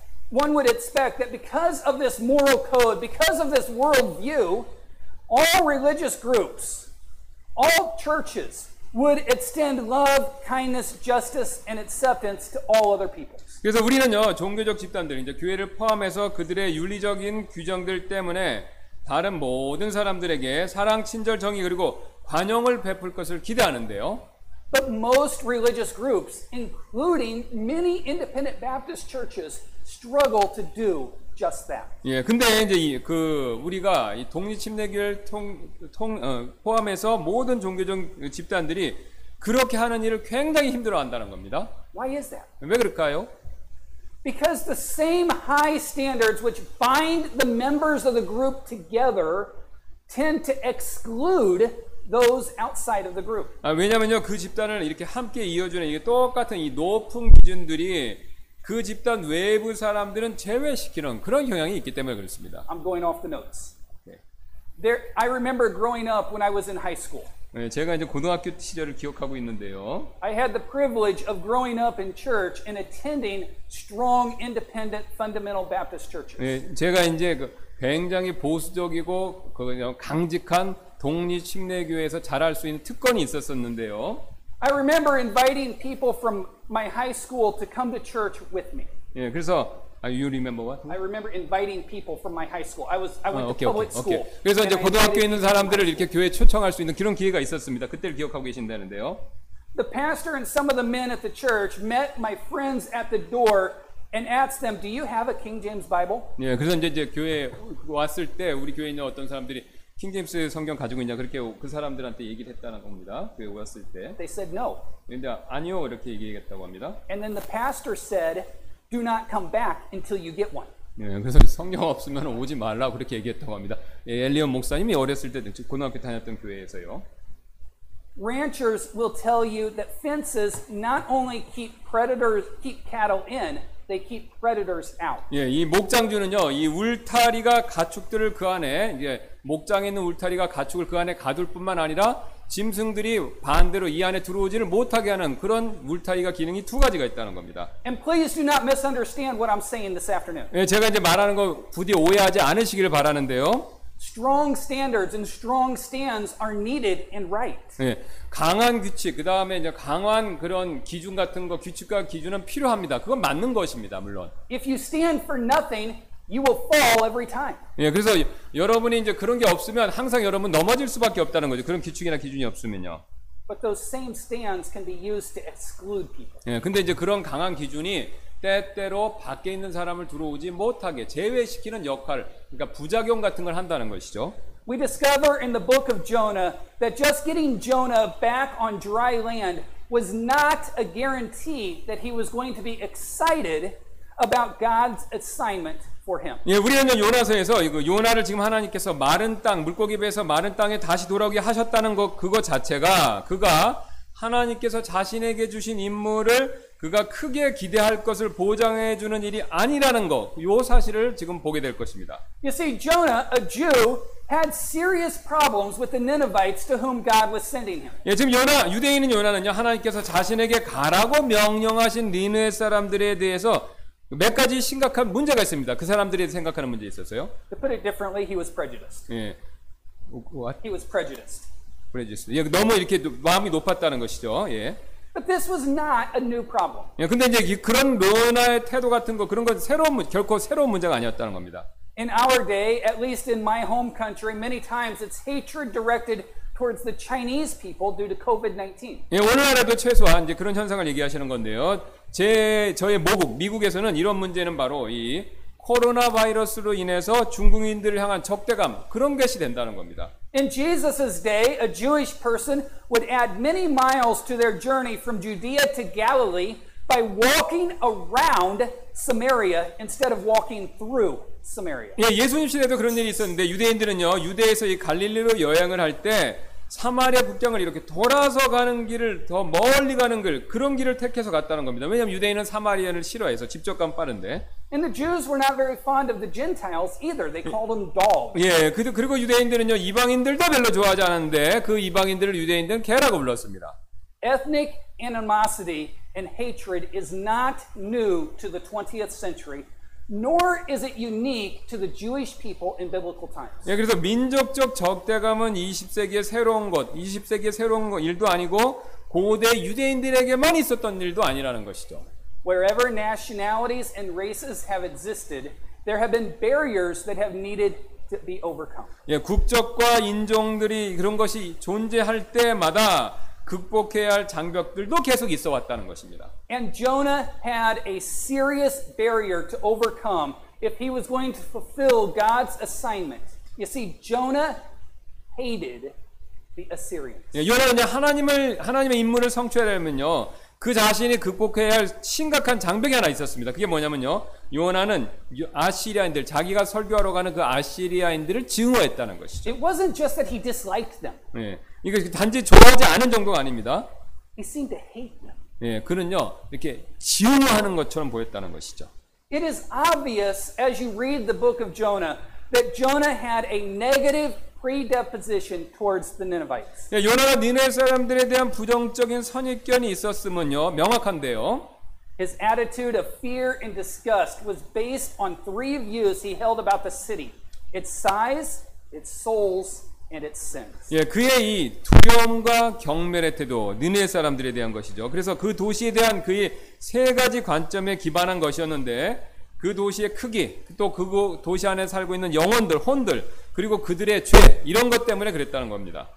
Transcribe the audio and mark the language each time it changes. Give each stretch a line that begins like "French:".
English: One would expect that because of this moral code, because of this worldview, all religious groups, all churches would extend love, kindness, justice, and acceptance to all other people.
Korean: 그래서 우리는요 종교적 집단들 이제 교회를 포함해서 그들의 윤리적인 규정들 때문에 다른 모든 사람들에게 사랑, 친절, 정의 그리고 관용을 베풀 것을 기대하는데요.
English: But most religious groups, including many independent Baptist churches, struggle to do just that.
Korean: 예, 근데 이제 이, 그 우리가 이 독립침례교회를 포함해서 모든 종교적 집단들이 그렇게 하는 일을 굉장히 힘들어한다는 겁니다.
English: Why is that?
Korean: 왜 그럴까요?
English: Because the same high standards which bind the members of the group together tend to exclude those outside of the group.
Korean: 아, 왜냐면요 그 집단을 이렇게 함께 이어주는 이게 똑같은 이 높은 기준들이 그 집단 외부 사람들은 제외시키는 그런 경향이 있기 때문에 그렇습니다.
English: I'm going off the notes. There, I remember growing up when I was in high school.
Korean: 네, 제가 이제 고등학교 시절을 기억하고 있는데요.
English: I had the privilege of growing up in church and attending strong, independent, fundamental Baptist churches.
Korean: 네, 제가 이제 그 굉장히 보수적이고 그 강직한 독립침례교회에서 자랄 수 있는 특권이 있었었는데요.
English: I remember inviting people from my high school to come to church with me.
Korean: 예, 그래서
English: you remember what? I remember inviting people from my high school. I went to public school.
Korean: 그래서 이제 고등학교에 있는 사람들을 이렇게 교회에 초청할 수 있는 그런 기회가 있었습니다. 그때를 기억하고 계신다는데요.
English: The pastor and some of the men at the church met my friends at the door and asked them, "Do you have a King James Bible?"
Korean: 예, 그래서 이제 교회에 왔을 때 우리 교회에 있는 어떤 사람들이 킹제임스 성경 가지고 있냐 그렇게 그 사람들한테 얘기를 했다는 겁니다. 교회에 왔을 때.
English: They said no.
Korean: 근데 아니요 이렇게 얘기했다고 합니다.
English: And then the pastor said, "Do not come back until you get one."
Korean: 예, 그래서 성경 없으면 오지 말라고 그렇게 얘기했다고 합니다. 예, 엘리언 목사님이 어렸을 때 고등학교 다녔던 교회에서요.
English: Ranchers will tell you that fences not only keep cattle in, they keep predators out.
Korean: 예, 이 목장주는요, 이 울타리가 가축들을 그 안에 이제 목장에 있는 울타리가 가축을 그 안에 가둘 뿐만 아니라 짐승들이 반대로 이 안에 들어오지를 못하게 하는 그런 울타리가 기능이 두 가지가 있다는 겁니다.
English: And please do not misunderstand what I'm saying this afternoon.
Korean: 예, 제가 이제 말하는 거 부디 오해하지 않으시기를 바라는데요.
English: strong standards and strong stands are needed and right.
Korean: 예, 강한 규칙, 그 다음에 이제 강한 그런 기준 같은 거, 규칙과 기준은 필요합니다. 그건 맞는 것입니다, 물론.
English: If you stand for nothing, you will fall every time.
Korean: 예, 그래서 여러분이 이제 그런 게 없으면 항상 여러분 넘어질 수밖에 없다는 거죠. 그런 규칙이나 기준이 없으면요.
English: But those same stands can be used to exclude people.
Korean: 예, 근데 이제 그런 강한 기준이 때때로 밖에 있는 사람을 들어오지 못하게 제외시키는 역할, 그러니까 부작용 같은 걸 한다는 것이죠.
English: We discover in the book of Jonah that just getting Jonah back on dry land was not a guarantee that he was going to be excited about God's assignment for him.
Korean: 예, 우리는 요나서에서 이거 요나를 지금 하나님께서 마른 땅, 물고기 배에서 마른 땅에 다시 돌아오게 하셨다는 것 그거 자체가 그가 하나님께서 자신에게 주신 임무를 그가 크게 기대할 것을 보장해 주는 일이 아니라는 것, 이 사실을 지금 보게 될 것입니다.
English: You see, Jonah, a Jew, had serious problems with the Ninevites to whom God was sending him.
Korean: 예, 지금 요나, 유대인인 요나는요, 하나님께서 자신에게 가라고 명령하신 니느웨 사람들에 대해서 몇 가지 심각한 문제가 있습니다. 그 사람들이 생각하는 문제 있었어요?
English: To put it differently, he was prejudiced.
Korean: 예.
English: What? He was prejudiced. Prejudiced.
Korean: 예, 너무 이렇게 마음이 높았다는 것이죠. 예.
English: But this was not a new problem.
Korean: 예, 근데 이제 그런 요나의 태도 같은 거 그런 건 새로운 결코 새로운 문제가 아니었다는 겁니다.
English: In our day, at least in my home country, many times it's hatred directed towards the Chinese people due to COVID-19.
Korean: 예, 오늘날에도 최소한 이제 그런 현상을 얘기하시는 건데요. 저의 모국 미국에서는 이런 문제는 바로 이 코로나 바이러스로 인해서 중국인들을 향한 적대감 그런 것이 된다는 겁니다.
English: In Jesus's day, a Jewish person would add many miles to their journey from Judea to Galilee by walking around Samaria instead of walking through Samaria.
Korean: 예, 예수님 시대도 그런 일이 있었는데 유대인들은요 유대에서 이 갈릴리로 여행을 할 때 사마리아 국경을 이렇게 돌아서 가는 길을 더 멀리 가는 길 그런 길을 택해서 갔다는 겁니다. 왜냐하면 유대인은 사마리아를 싫어해서 직접감 빠른데.
English: And the Jews were not very fond of the Gentiles either. They called them dogs.
Korean: 예, 그리고 유대인들은요 이방인들도 별로 좋아하지 않았는데 그 이방인들을 유대인들은 개라고 불렀습니다.
English: Ethnic animosity and hatred is not new to the 20th century. Nor is it unique to the Jewish people in biblical times.
Korean: 예, 그래서 민족적 적대감은 20세기에 새로운 것, 20세기에 새로운 것 일도 아니고 고대 유대인들에게만 있었던 일도 아니라는 것이죠.
English: Wherever nationalities and races have existed, there have been barriers that have needed to be overcome.
Korean: 예, 국적과 인종들이 그런 것이 존재할 때마다 극복해야 할 장벽들도 계속 있어 왔다는 것입니다.
English: And Jonah had a serious barrier to overcome if he was going to fulfill God's assignment. You see, Jonah hated the Assyrians.
Korean: 예, 요나는 하나님의 임무를 성취하려면요, 그 자신이 극복해야 할 심각한 장벽이 하나 있었습니다. 그게 뭐냐면요, 요나는 아시리아인들, 자기가 설교하러 가는 그 아시리아인들을 증오했다는 것이죠.
English: It wasn't just that he disliked them.
Korean: 예. 이거 단지 좋아하지 않은 정도가 아닙니다.
English: He seemed to hate them.
Korean: 예, 그는요 이렇게 증오하는 것처럼 보였다는 것이죠.
English: It is obvious as you read the book of Jonah that Jonah had a negative predisposition towards the Ninevites.
Korean: 예, 요나가 니네 사람들에 대한 부정적인 선입견이 있었으면요 명확한데요.
English: His attitude of fear and disgust was based on three views he held about the city: its size, its souls. And its sins.
Korean: 예, 그의 이 두려움과 경멸의 태도, 느네 사람들에 대한 것이죠. 그래서 그 도시에 대한 그의 세 가지 관점에 기반한 것이었는데, 그 도시의 크기, 또 그 도시 안에 살고 있는 영혼들, 혼들, 그리고 그들의 죄 이런 것 때문에 그랬다는 겁니다.